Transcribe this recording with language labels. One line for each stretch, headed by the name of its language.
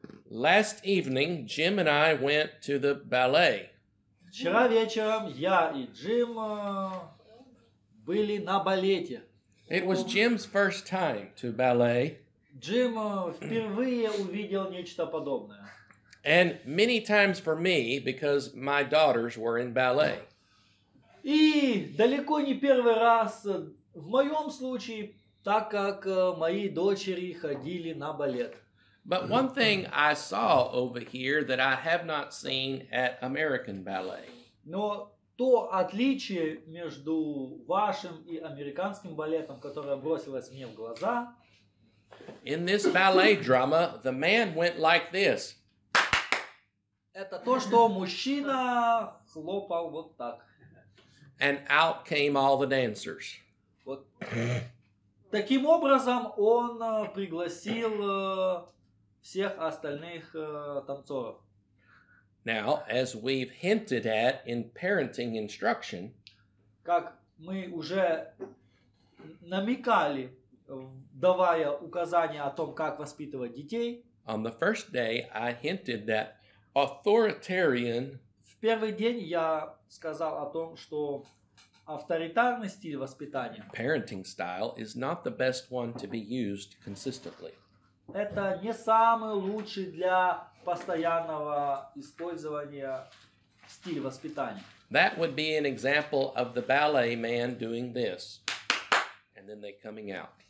English: Last evening, Jim and I went to the ballet.
Russian: Вчера вечером я и Джим были на балете.
English: It was Jim's first time to ballet.
Russian: Джим впервые увидел нечто подобное.
English: And many times for me, because my daughters were in ballet.
Russian: И далеко не первый раз в моем случае, так как мои дочери ходили на балет.
English: But one thing I saw over here that I have not seen at American ballet.
Russian: Но то отличие между вашим и американским балетом, которое бросилось мне в глаза.
English: In this ballet drama, the man went like this.
Russian: Это то, что мужчина хлопал вот так.
English: And out came all the dancers.
Russian: Вот. Таким образом, он пригласил всех остальных танцоров.
English: Now, as we've hinted at in parenting instruction,
Russian: как мы уже намекали, давая указания о том, как воспитывать детей,
English: on the first day I hinted that authoritarian,
Russian: в первый день я сказал о том, что авторитарный стиль воспитания,
English: parenting style, is not the best one to be used consistently.
Russian: Это не самый лучший для постоянного использования стиль воспитания.
English: That would be an example of the ballet man doing this, and then they coming out.